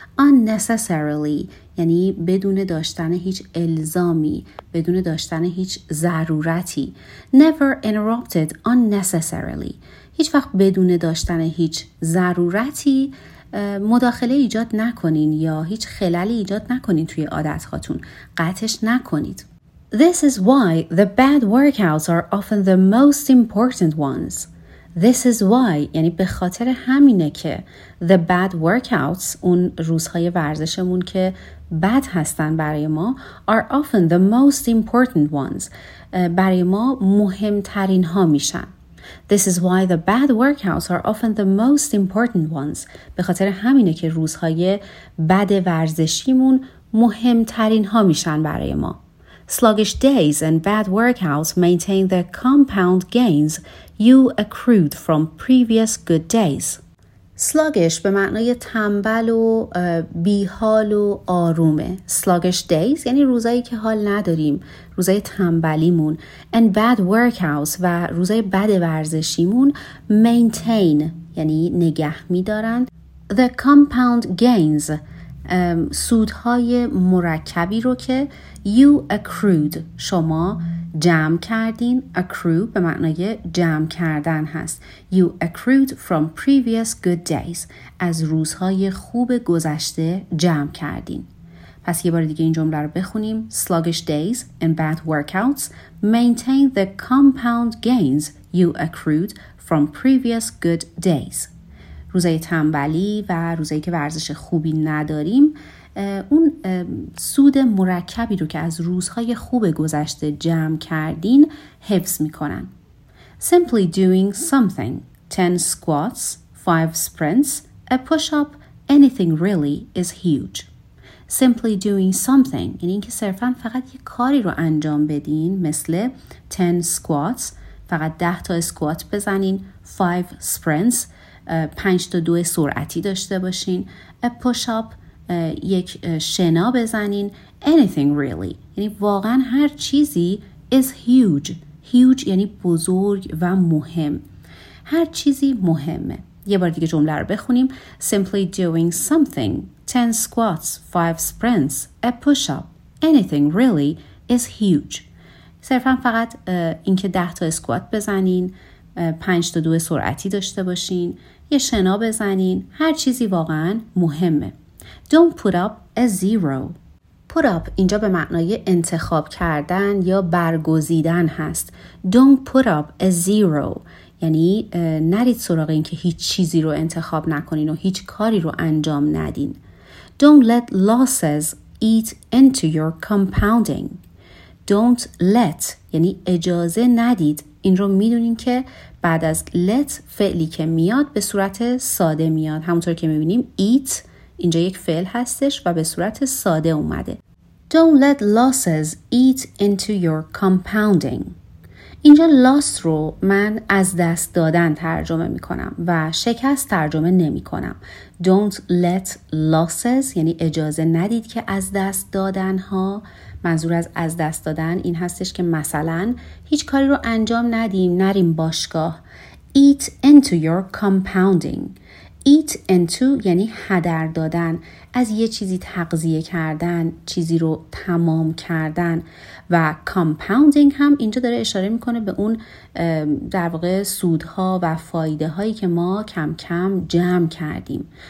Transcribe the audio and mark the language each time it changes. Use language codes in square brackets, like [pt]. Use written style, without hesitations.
[en] unnecessarily [fa] یعنی بدون داشتن هیچ الزامی، بدون داشتن هیچ ضرورتی. [en] never interrupted unnecessarily، [fa] هیچ وقت بدون داشتن هیچ ضرورتی مداخله ایجاد نکنین یا هیچ خلالی ایجاد نکنین توی عادت هاتون، قطعش نکنید. [en] This is why the bad workouts are often the most important ones. This is why [fa] یعنی به خاطر همینه که [en] the bad workouts، [fa] اون روزهای ورزشمون که بد هستن برای ما، [en] are often the most important ones، [fa] برای ما مهمترین ها میشن. [en] This is why the bad workouts are often the most important ones. [fa] به خاطر همینه که روزهای بد ورزشیمون مهمترین ها میشن برای ما. [en] Sluggish days and bad workouts maintain the compound gains you accrued from previous good days. [fa] سلاگش به معنای تنبل و بیحال و آرومه. سلاگش دیز یعنی روزایی که حال نداریم، روزای تنبلیمون. [en] And bad workouts [fa] و روزای بد ورزشیمون [en] maintain [fa] یعنی نگه می‌دارن. [en] The compound gains [fa] سودهای مرکبی رو که [en] you accrued [fa] شما جمع کردین. Accrue به معنای جمع کردن هست. [en] You accrued from previous good days [fa] از روزهای خوب گذشته جمع کردین. پس یه بار دیگه این جمله رو بخونیم. [en] Sluggish days and bad workouts maintain the compound gains you accrued from previous good days. [fa] روزای تنبلی و روزایی که ورزش خوبی نداریم اون سود مرکبی رو که از روزهای خوب گذشته جمع کردین حفظ میکنن. [en] Simply doing something, 10 squats, 5 sprints, a push-up, anything really is huge. Simply doing something [fa] یعنی اینکه صرفا فقط یه کاری رو انجام بدین، مثل [en] 10 squats [fa] فقط 10 تا اسکوات بزنین، [en] 5 sprints [fa] 5 تا دو سرعتی داشته باشین، [en] a push-up [fa] یک شنا بزنین، [en] anything really [fa] یعنی واقعا هر چیزی [en] is huge. [fa] huge یعنی بزرگ و مهم، هر چیزی مهمه. یه بار دیگه جمله رو بخونیم. [en] Simply doing something, 10 squats, 5 sprints, a push-up, anything really is huge. [fa] صرفا فقط اینکه 10 تا اسکوات بزنین، 5 تا دو سرعتی داشته باشین، یه شنا بزنین، هر چیزی واقعا مهمه. [en] Don't put up a zero. Put up [fa] اینجا به معنای انتخاب کردن یا برگزیدن هست. [en] Don't put up a zero [fa] یعنی نرید سراغ این که هیچ چیزی رو انتخاب نکنین و هیچ کاری رو انجام ندین. [en] Don't let losses eat into your compounding. Don't let [fa] یعنی اجازه ندید. این رو میدونین که بعد از let فعلی که میاد به صورت ساده میاد، همونطور که میبینیم eat اینجا یک فعل هستش و به صورت ساده اومده. [en] Don't let losses eat into your compounding. [fa] اینجا loss رو من از دست دادن ترجمه می کنم و شکست ترجمه نمی کنم. [en] Don't let losses [fa] یعنی اجازه ندید که از دست دادن ها، منظور از دست دادن این هستش که مثلا هیچ کاری رو انجام ندیم، نریم باشگاه. [en] Eat into your compounding. Eat into [fa] یعنی هدر دادن، از یه چیزی تغذیه کردن، چیزی رو تمام کردن. و compounding هم اینجا داره اشاره میکنه به اون در واقع سودها و فایده هایی که ما کم کم جمع کردیم.